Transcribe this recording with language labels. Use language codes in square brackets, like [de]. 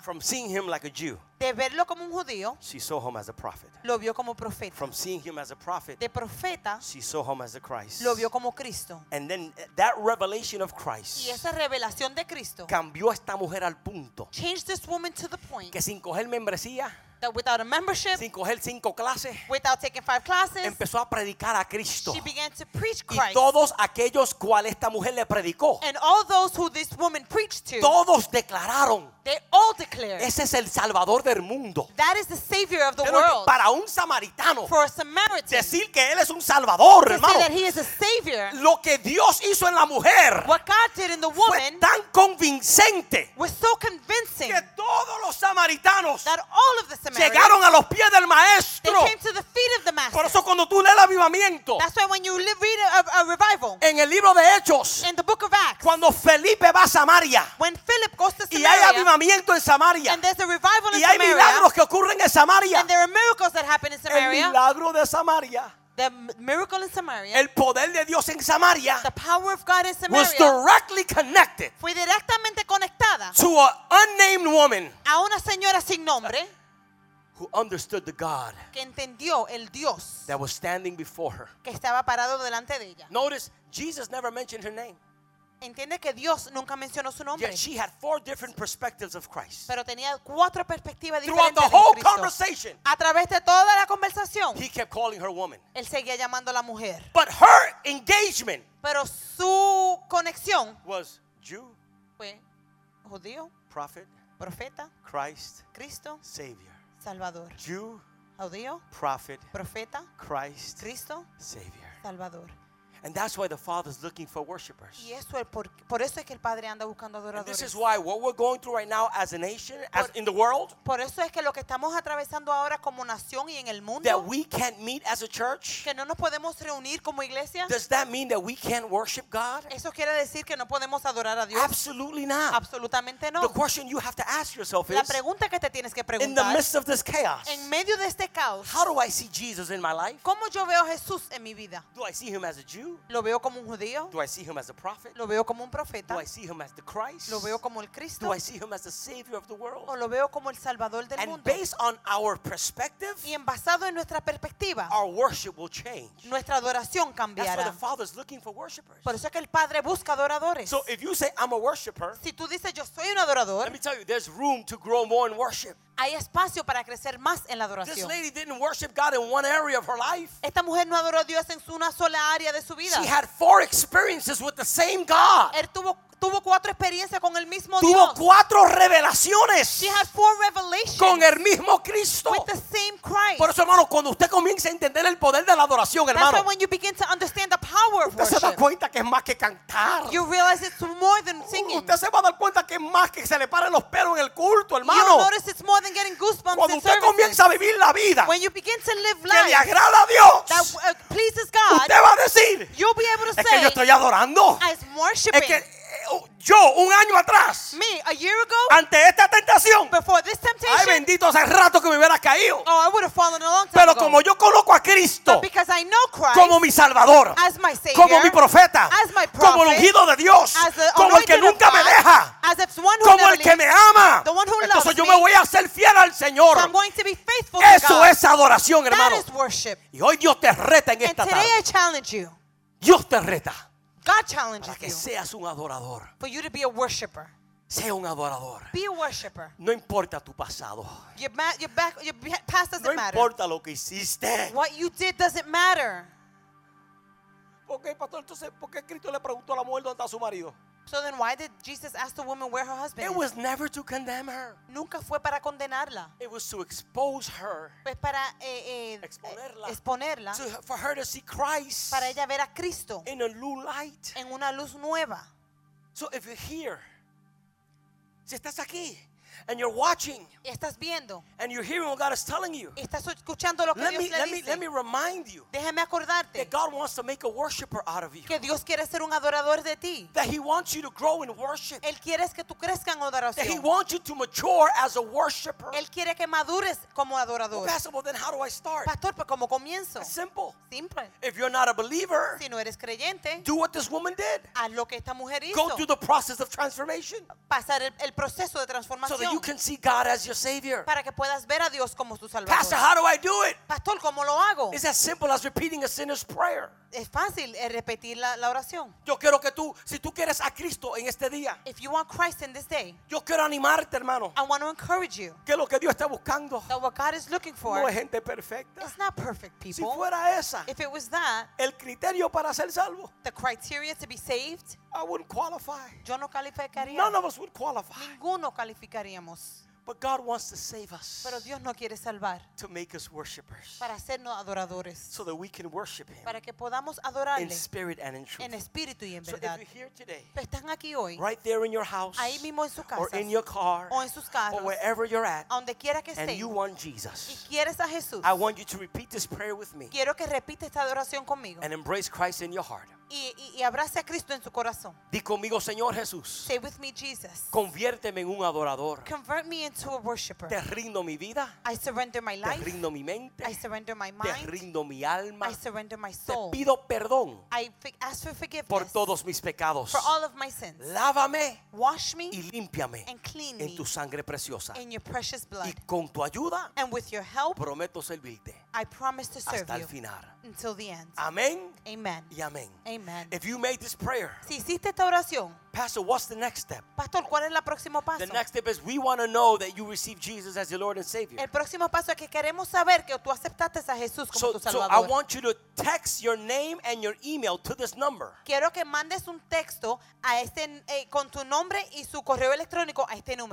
[en] From seeing him like a Jew, [es] de verlo como un judío, [en] she saw him as a prophet. [es] Lo vio como profeta. [en] From seeing him as a prophet, [es] de profeta, [en] she saw him as a Christ. [es] Lo vio como Cristo. [en] And then that revelation of Christ, [es] y esa revelación de Cristo, cambió a esta mujer al punto, [en] changed this woman to the point, [es] que sin coger membresía, [en] that without a membership, [es] sin coger cinco clases, [en] without taking five classes, [es] empezó a predicar a Cristo. [en] She began to preach Christ. [es] Y todos aquellos cual esta mujer le predicó, [en] and all those who this woman preached to, [es] todos declararon, [en] they all declared, [es] ese es el Salvador del mundo. [en] That is the Savior of the world. [es] Para un samaritano, [en] for a Samaritan, [es] decir que él es un Salvador, [en] to [es] hermano, [en] say that he is a Savior, [es] lo que Dios hizo en la mujer, [en] what God did in the woman, [es] fue tan convincente, [en] was so convincing, [es] que todos los samaritanos, [en] that all of the Samaritans, [es] llegaron a los pies del maestro. [en] They came to the feet of the master. [es] Por eso cuando tú lees el avivamiento, [en] that's why when you read a revival, [es] en el libro de Hechos, [en] in the book of Acts, [es] cuando Felipe va a Samaria, [en] when Philip goes to Samaria, [es] y hay avivamiento en Samaria, [en] and there's a revival in [es] y hay [en] Samaria, [es] milagros que ocurren en Samaria, [en] and there are miracles that happen in Samaria, [es] el milagro de Samaria, [en] the miracle in Samaria, [es] el poder de Dios en Samaria, [en] the power of God in Samaria, was directly connected, [es] fue directamente conectada, [en] to an unnamed woman, [es] a una señora sin nombre, [en] who understood the God, [es] que entendió el Dios, [en] that was standing before her, [es] que estaba parado delante de ella. [en] Notice, Jesus never mentioned her name. [es] Entiende que Dios nunca mencionó su nombre. [en] Yet she had four different perspectives of Christ. [es] Pero tenía cuatro perspectivas diferentes. [en] Throughout the whole conversation, [es] a través de toda la conversación, [en] he kept calling her woman. [es] Él seguía llamando a la mujer. [en] But her engagement, [es] pero su conexión, [en] was Jew, [es] fue judío, [en] prophet, [es] profeta, [en] Christ, [es] Cristo, [en] Savior, [es] Salvador. [en] Jew, [es] judío, [en] prophet, [es] profeta, [en] Christ, [es] Cristo, [en] Savior, [es] Salvador. [en] And that's why the Father is looking for worshipers. [es] Y eso es por eso es que el Padre anda buscando adoradores. [en] And this is why what we're going through right now as a nation, as in the world, [es] por eso es que lo que estamos atravesando ahora como nación y en el mundo, [en] that we can't meet as a church, [es] que no nos podemos reunir como iglesia, [en] does that mean that we can't worship God? [es] Eso quiere decir que no podemos adorar a Dios. [en] Absolutely not. [es] Absolutamente no. [en] The question you have to ask yourself is, [es] la pregunta que te tienes que preguntar, [en] in the midst of this chaos, [es] en medio de este caos, [en] how do I see Jesus in my life? [es] ¿Cómo yo veo a Jesús en mi vida? [en] Do I see him as a Jew? [es] Lo veo como un judío. [en] Do I see him as a prophet? [es] Lo veo como un profeta. [en] Do I see him as the Christ? [es] Lo veo como el Cristo. [en] Do I see him as the Savior of the world? [es] O lo veo como el Salvador del [en] and [es] mundo. [en] And based on our perspective, [es] y en basado en nuestra perspectiva, [en] our worship will change. [es] Nuestra adoración cambiará. [en] That's why the Father is looking for worshipers. [es] Por eso es que el Padre busca adoradores. [en] So if you say I'm a worshiper, [es] si tú dices yo soy un adorador, [en] let me tell you, there's room to grow more in worship. [es] Hay espacio para crecer más en la adoración. [en] This lady didn't worship God in one area of her life. [es] Esta mujer no adoró a Dios en una sola área de su vida. [en] She had four experiences with the same God. [es] Él tuvo cuatro experiencias con el mismo tuvo Dios. Tuvo cuatro revelaciones. [en] She had four revelations. [es] Con el mismo Cristo. [en] With the same Christ. [es] Por eso, hermano, cuando usted comienza a entender el poder de la adoración, hermano, [en] that's why when you begin to understand the power of worship, [es] usted se da cuenta que es más que cantar. [en] You realize it's more than singing. [es] Usted se va a dar cuenta que es más que se le paren los pelos en el culto, hermano. [en] You'll notice it's more than getting goosebumps. [es] Cuando usted [en] services, [es] comienza a vivir la vida, [en] when you begin to live life, [es] que le agrada a Dios, [en] that pleases God, [es] usted va a decir, [en] you'll be able to [es] es [en] say, [es] que yo estoy adorando. [en] I'm worshiping. [es] Es que yo un año atrás, [en] me, a year ago, [es] ante esta tentación, [en] before this temptation, [es] ay bendito, hace rato que me hubiera caído. [en] Oh, I would have fallen a long time [es] pero [en] ago. [es] Como yo conozco a Cristo, [en] but because I know Christ, [es] como mi Salvador, [en] as my Savior, [es] como mi profeta, [en] as my prophet, [es] como el ungido de Dios, [en] as the [es] como el que nunca [en] God, [es] me deja, [en] as if one who [es] como el que me ama, [en] the one who [es] entonces yo me, me voy a ser fiel al Señor. [en] So I'm going to be faithful [es] eso [en] to God. [es] Es adoración, hermano. [en] That is worship. [es] Y hoy Dios te reta en [en] and [es] esta [en] today [es] tarde. [en] I challenge you. [es] Dios te reta. [en] God challenges [es] para que [en] you [es] seas un adorador. [en] For you to be a worshiper. [es] Sea un adorador. [en] Be a worshiper. [es] No importa tu pasado. [en] Your past doesn't [es] no [en] matter. [es] No importa lo que hiciste. [en] What you did doesn't matter. [es] Okay, pastor, entonces, ¿por qué Cristo le preguntó a la mujer dónde está su marido? [en] So then why did Jesus ask the woman where her husband is? It was never to condemn her. [es] Nunca fue para condenarla. [en] It was to expose her. [es] Pues para exponerla. [en] For her to see Christ. [es] Para ella ver a Cristo. [en] In a new light. [es] En una luz nueva. [en] So if you're here, [es] si estás aquí, [en] and you're watching, [es] y estás viendo, [en] and you're hearing what God is telling you, [es] y estás escuchando lo que [en] let [es] Dios [en] me, [es] le [en] let [es] dice, [en] me, let me remind you, [es] déjame acordarte, [en] that God wants to make a worshiper out of you, [es] que Dios quiere ser un adorador de ti, [en] that he wants you to grow in worship, [es] él quiere que tú crezcas en adoración, [en] that he wants you to mature as a worshiper, [es] él quiere que madures como adorador. [en] Well, Pastor, well, then how do I start? [es] Pastor, pues cómo comienzo? [en] It's simple. [es] Simple. [en] If you're not a believer, [es] si no eres creyente, [en] do what this woman did. [es] Haz lo que esta mujer hizo. [en] Go through the process of transformation. [es] Pasar el proceso de transformación. [en] So that you can see God as your Savior. [es] Para que puedas ver a Dios como tu Salvador. [en] Pastor, how do I do it? [es] Pastor, ¿cómo lo hago? [en] It's as simple as repeating a sinner's prayer. [es] Es fácil repetir la oración. Yo quiero que tú, si tú quieres a Cristo en este día, [en] if you want Christ in this day, [es] yo quiero animarte, hermano. [en] I want to encourage you. [es] Que lo que Dios está buscando, [en] that what God is looking for, [es] no es gente perfecta. [en] It's not perfect people. [es] Si fuera esa, [en] if it was that, [es] el criterio para ser salvo, [en] the criteria to be saved, I wouldn't qualify. [es] Yo no calificaría. [en] None of us would qualify. [es] Ninguno calificaríamos. [en] But God wants to save us. [es] Pero Dios no quiere salvar. [en] To make us worshipers. [es] Para hacernos adoradores. [en] So that we can worship Him. [es] Para que podamos adorarle. [en] In spirit and in truth. [es] En espíritu y en verdad. [en] So if you're here today, [es] están aquí hoy, [en] right there in your house, [es] ahí mismo en su casa, [en] or in your car, [es] o en sus carros, [en] or wherever you're at, [es] donde quiera que estén, [en] and you want Jesus, [es] y quieres a Jesús, [en] I want you to repeat this prayer with me. [es] Quiero que repita esta adoración conmigo. [en] And embrace Christ in your heart. [es] Y abrace a Cristo en su corazón. Di conmigo, Señor Jesús. [en] Say with me, Jesus. [es] Conviérteme en un adorador. [en] Convert me into a worshiper. [es] Te rindo mi vida. [en] I surrender my life. [es] Te rindo mi mente. [en] I surrender my mind. [es] Te rindo mi alma. [en] I surrender my soul. [es] Te pido perdón. [en] I ask for forgiveness. [es] Por todos mis pecados. [en] For all of my sins. [es] Lávame. [en] Wash me. [es] Y límpiame. [en] And clean me. [es] En tu sangre preciosa. [en] In your precious blood. [es] Y con tu ayuda. [en] And with your help. [es] Prometo servirte. [en] I promise to serve [es] hasta [en] you [es] el final. [en] Until the end. [es] Amén. [en] Amen. [es] Y amén. [en] Amen. If you made this prayer, [es] si hiciste esta oración, [en] Pastor, what's the next step? [es] Pastor, ¿cuál es el próximo paso? [en] The next step is we want to know that you receive Jesus as your Lord and Savior. [es] El próximo paso es que queremos saber que tú aceptaste a Jesús como tu Salvador. [en] So I want you to text your name and your email to this number. [es] Quiero que mandes un texto a este con tu nombre y su correo electrónico a este número.